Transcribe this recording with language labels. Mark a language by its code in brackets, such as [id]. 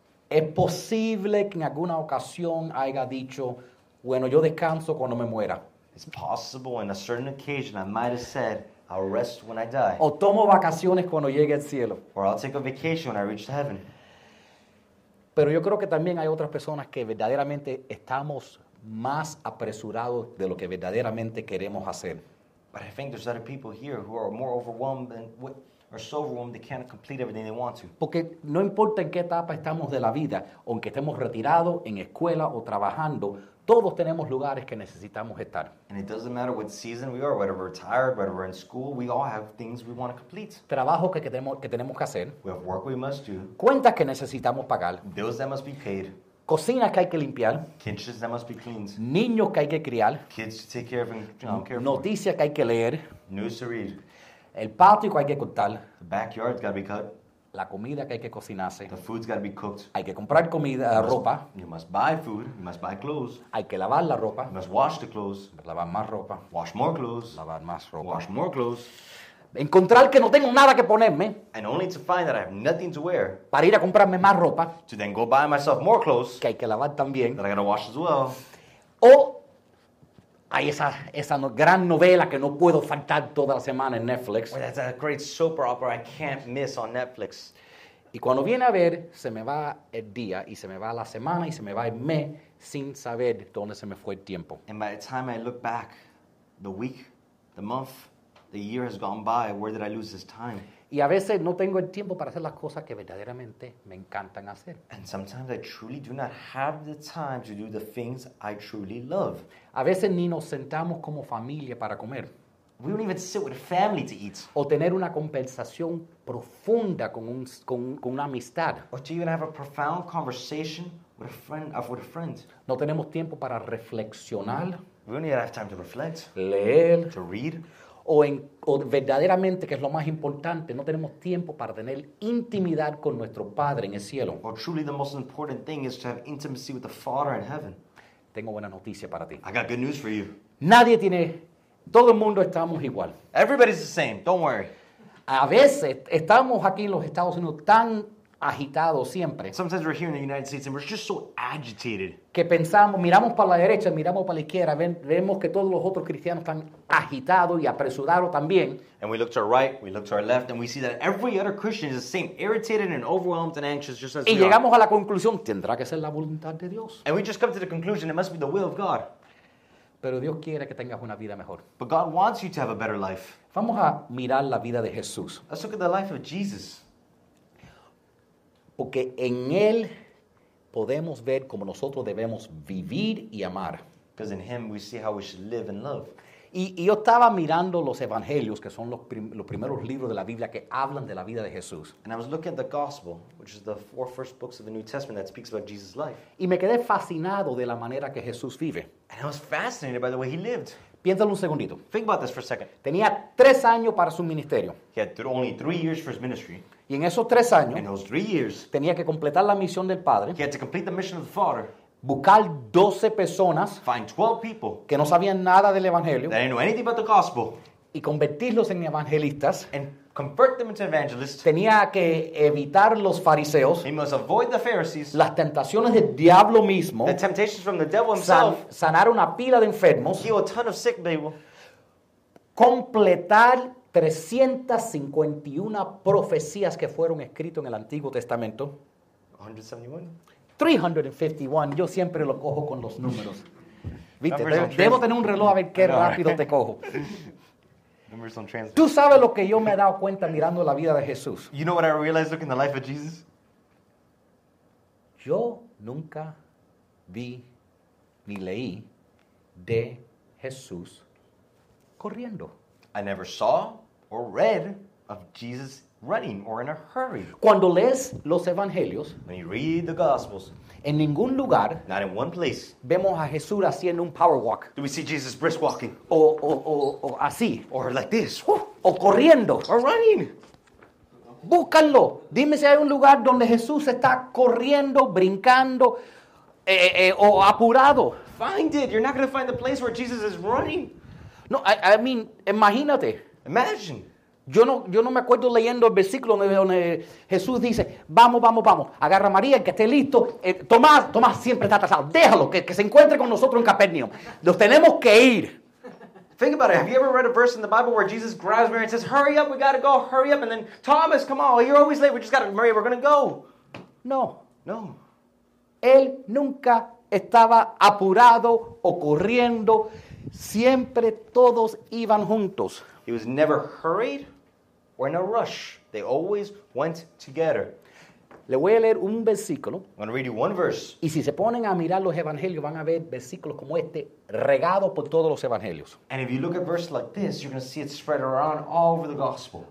[es] Es posible que en alguna ocasión haya dicho, bueno, yo descanso cuando me muera. [en] It's possible in a certain occasion I might have said, I'll rest when I die. [es] O tomo vacaciones cuando llegue al cielo. [en] Or I'll take a vacation when I reach heaven. [es] Pero yo creo que también hay otras personas que verdaderamente estamos más apresurados de lo que verdaderamente queremos hacer. [en] But I think there's other people here who are more overwhelmed than are so overwhelmed they can't complete everything they want to. [es] Porque no importa en qué etapa estamos de la vida, aunque estemos retirados, en escuela o trabajando, todos tenemos lugares que necesitamos estar. [en] And it doesn't matter what season we are, whether we're retired, whether we're in school, we all have things we want to complete. [es] Trabajo que tenemos que hacer. [en] We have work we must do. [es] Cuentas que necesitamos pagar. [en] Bills that must be paid. [es] Cocinas que hay que limpiar. [en] Kitchens that must be cleaned. [es] Niños que hay que criar. [en] Kids to take care of and care for. [es] Noticias que hay que leer. [en] News to read. [es] El patio que hay que cortar. [en] The backyard's got to be cut. [es] La comida que hay que cocinarse. [en] The food's got to be cooked. [es] Hay que comprar comida, [en] you must, [es] ropa. [en] You must buy food. You must buy clothes. [es] Hay que lavar la ropa. [en] You must wash the clothes. [es] Lavar más ropa. [en] Wash more clothes. [es] Lavar más ropa. [en] Wash more clothes. [es] Encontrar que no tengo nada que ponerme. [en] And only to find that I have nothing to wear. [es] Para ir a comprarme más ropa. [en] To then go buy myself more clothes. [es] Que hay que lavar también. [en] That I gotta wash as well. [es] O hay esa gran novela que no puedo faltar toda la semana en Netflix. [en] Well, that's a great soap opera I can't miss on Netflix. [es] Y cuando viene a ver, se me va el día y se me va la semana y se me va el mes sin saber dónde se me fue el tiempo. [en] And by the time I look back, the week, the month, the year has gone by, where did I lose this time? [es] Y a veces no tengo el tiempo para hacer las cosas que verdaderamente me encantan hacer. [en] And sometimes I truly do not have the time to do the things I truly love. [es] A veces ni nos sentamos como familia para comer. [en] We don't even sit with family to eat. [es] O tener una conversación profunda con una amistad. [en] Or to even have a profound conversation with a friend. [es] No tenemos tiempo para reflexionar. [en] We don't even have time to reflect. [es] Leer. [en] To read. [es] O verdaderamente, que es lo más importante, no tenemos tiempo para tener intimidad con nuestro Padre en el cielo. [en] Or truly the most important thing is to have intimacy with the Father in heaven. [es] Tengo buena noticia para ti. [en] I got good news for you. [es] Nadie tiene, todo el mundo estamos igual. [en] Everybody's the same, don't worry. [es] A veces estamos aquí en los Estados Unidos tan agitados siempre. [en] Sometimes we're here in the United States and we're just so agitated. [es] Que pensamos, miramos para la derecha, miramos para la izquierda, vemos que todos los otros cristianos están agitados y apresurados también. [en] And we look to our right, we look to our left, and we see that every other Christian is the same, irritated and overwhelmed and anxious just as we are. [es] Y llegamos a la conclusión, tendrá que ser la voluntad de Dios. [en] And we just come to the conclusion, it must be the will of God. [es] Pero Dios quiere que tengas una vida mejor. [en] But God wants you to have a better life. [es] Vamos a mirar la vida de Jesús. [en] Let's look at the life of Jesus. [es] Porque en Él podemos ver cómo nosotros debemos vivir y amar. [en] Because in Him we see how we should live and love. [es] Y yo estaba mirando los evangelios, que son los primeros libros de la Biblia que hablan de la vida de Jesús. [en] And I was looking at the gospel, which is the four first books of the New Testament that speaks about Jesus' life. [es] Y me quedé fascinado de la manera que Jesús vive. [en] And I was fascinated by the way He lived. [es] Piénsalo un segundito. [en] Think about this for a second. [es] Tenía 3 años para su ministerio. [en] He had only 3 years for his ministry. [es] Y en esos 3 años, [en] in those 3 years, [es] tenía que completar la misión del Padre. [en] He had to complete the mission of the Father. [es] Buscar 12 personas. [en] Find 12 people. [es] Que no sabían nada del Evangelio. [en] That didn't know anything about the gospel. [es] Y convertirlos en evangelistas. [en] And convert them into evangelists. [es] Tenía que evitar los fariseos. [en] He must avoid the Pharisees. [es] Las tentaciones del diablo mismo. [en] The temptations from the devil himself. [es] Sanar una pila de enfermos. [en] Heal a ton of sick people. [es] Completar 351 profecías que fueron escritas en el Antiguo Testamento. [en] 351. [es] Yo siempre lo cojo con los números. ¿Viste? Debo tener un reloj a ver qué rápido te cojo. [en] Numbers don't translate. [es] ¿Tú sabes lo que yo me he dado cuenta mirando la vida de Jesús? [en] You know what I realized looking at the life of Jesus? [es] Yo nunca vi ni leí de Jesús corriendo. [en] I never saw or read of Jesus running or in a hurry. [es] Cuando lees los evangelios, [en] when you read the gospels, [es] en ningún lugar, [en] not in one place, [es] vemos a Jesús haciendo un power walk. [en] Do we see Jesus brisk walking? [es] O así. [en] Or like this. [es] O corriendo. [en] Or running. [es] Búscalo. Dime si hay un lugar donde Jesús está corriendo, brincando, o apurado. [en] Find it. You're not going to find the place where Jesus is running. No, I mean, [es] imagínate. [en] Imagine. [es] Yo no me acuerdo leyendo el versículo donde Jesús dice, vamos. Agarra a María, que esté listo. Tomás siempre está atrasado. Déjalo, que se encuentre con nosotros en Capernaum. Nos tenemos que ir. [en] Think about it. Have you ever read a verse in the Bible where Jesus grabs Mary and says, hurry up, we got to go, hurry up. And then, Thomas, come on, you're always late. We just got to, Mary, we're going to go. [es] No. Él nunca estaba apurado o corriendo. Siempre todos iban juntos. [en] He was never hurried or in a rush. They always went together. [es] Le voy a leer un versículo. [en] I'm going to read you one verse. [es] Y si se ponen a mirar los evangelios, van a ver versículos como este regados por todos los evangelios. [en] And if you look at verses like this, you're going to see it spread around all over the gospel.